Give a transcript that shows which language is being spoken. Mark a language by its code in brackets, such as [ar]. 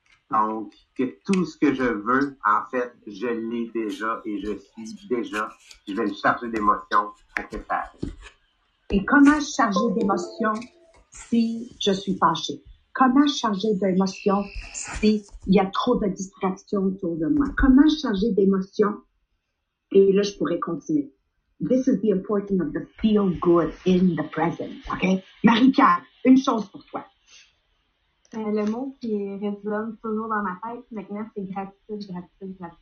[fr] Donc, que tout ce que je veux, en fait, je l'ai déjà et je suis déjà. Je vais le charger d'émotions à que faire. Et comment charger d'émotions si je suis fâchée? comment changer d'émotion s'il y a trop de distractions autour de moi? Comment changer d'émotion? Et là, je pourrais continuer. [en] This is the importance of the feel good in the present, OK? [fr] Marie-Pierre, une chose pour toi. Le mot qui résonne toujours dans ma tête maintenant, c'est gratitude.